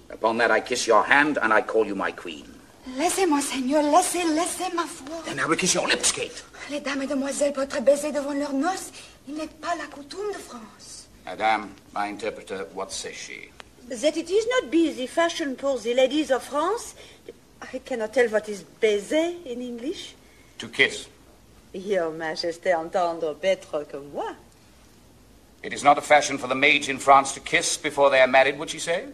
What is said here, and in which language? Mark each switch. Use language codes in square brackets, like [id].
[en] Upon that I kiss your hand and I call you my queen. [fr] Laissez, monseigneur, laissez, laissez, ma foi. [en] Then I will kiss your lips, Kate. [fr] Les dames et demoiselles peuvent être baisées devant leurs noces. Il n'est pas la coutume de France. [en] Madame, my interpreter, what says she? That it is not be the fashion for the ladies of France. I cannot tell what is baiser in English. To kiss. Your [fr] majesté entendre [en] better [fr] que moi. It is not a fashion for the maids in France to kiss before they are married, would she say?